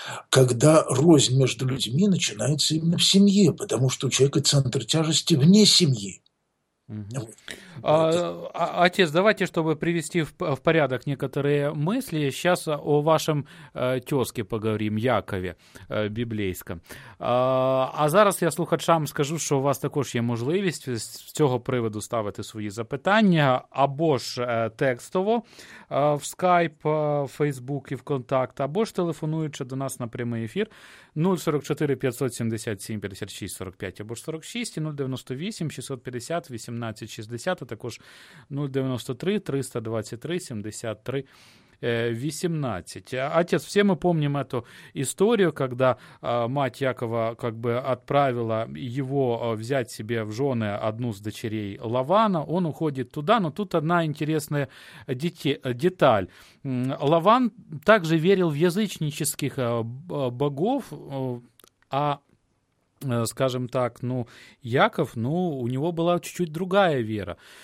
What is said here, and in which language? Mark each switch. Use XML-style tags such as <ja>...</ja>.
<ru>Когда рознь между людьми начинается именно в семье, потому что у человека центр тяжести вне семьи. Отец, давайте, чтобы привести в порядок некоторые мысли, сейчас о вашем тезке поговорим, Якове библейском.</ru> <uk>А зараз я слухачам скажу, що у вас також є можливість з цього приводу ставити свої запитання або ж текстово в Skype, Facebook і ВКонтакт, або ж телефонуючи до нас на прямий ефір 044-577-56-45 або ж 46 і 098-650-18-60, а також 093-323-73-18.</uk> <ru>Отец, все мы помним эту историю, когда мать Якова как бы отправила его взять себе в жены одну из дочерей Лавана. Он уходит туда, но тут одна интересная деталь. Лаван также верил в язычнических богов, а, скажем так, ну, Яков, ну, у него была чуть-чуть другая вера.</ru>